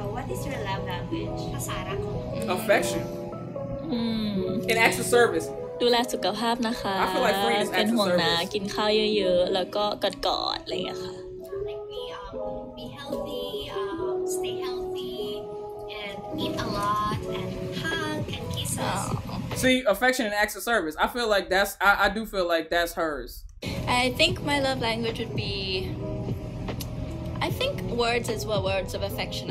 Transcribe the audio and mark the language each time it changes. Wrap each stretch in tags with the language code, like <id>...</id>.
<en>What is your love language? Affection. An act of service.</en> <th>ดูแลสุขภาพนะคะ</th> <en>I feel like Freen is act of service.</en> <th>เป็นห่วงน ะ กินข้าวเยอะๆแล้วก็กอดๆอะไรอย่างเงี้ยค่ะ</th> <en>Like be healthy, stay healthy, and eat a lot, and hug, and kiss us. See, affection and acts of service. I feel like that's, I do feel like that's hers. I think my love language would be, I think words as well, words of affection.</en>